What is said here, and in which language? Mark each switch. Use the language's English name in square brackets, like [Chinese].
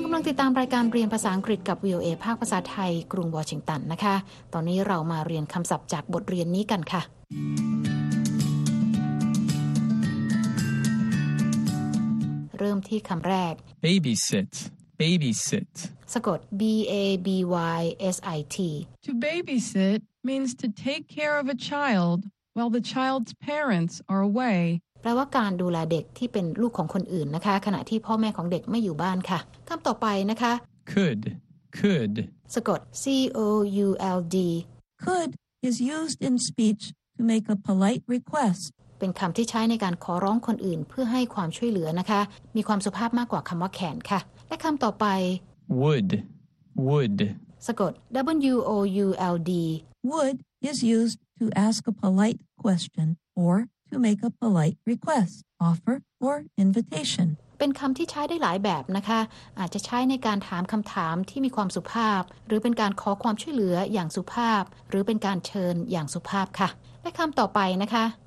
[Thai] ติดตามรายการเรียนภาษาอังกฤษกับ VOA ภาคภาษาไทยกรุงวอชิงตันนะคะตอนนี้เรามาเรียนคำศัพท์จากบทเรียนนี้กันค่ะ เริ่มที่คำแรก [English] babysit [Thai] สะกด babysit [English] to babysit means to take care of a child while the child's parents are away [Thai] แปลว่าการดูแลเด็กที่เป็นลูกของคนอื่นนะคะขณะที่พ่อแม่ของเด็กไม่อยู่บ้านค่ะคำต่อไปนะคะ [English] could [Thai] สะกด c-o-u-l-d [English] could is used in speech to make a polite request [Thai] เป็นคำที่ใช้ในการขอร้องคนอื่นเพื่อให้ความช่วยเหลือนะคะมีความสุภาพมากกว่าคำว่าแขนค่ะและคำต่อไป [English] would [Thai] สะกด w-o-u-l-d [English] would is used to ask a polite question orTo make a polite request, offer, or invitation. [Thai] เป็นคำที่ใช้ได้หลายแบบนะคะอาจจะใช้ในการถามคำถามที่มีความสุภาพหรือเป็นการขอความช่วยเหลืออย่างสุภาพหรือเป็นการเชิญอย่างสุภาพค่ะและคำต่อไปนะคะ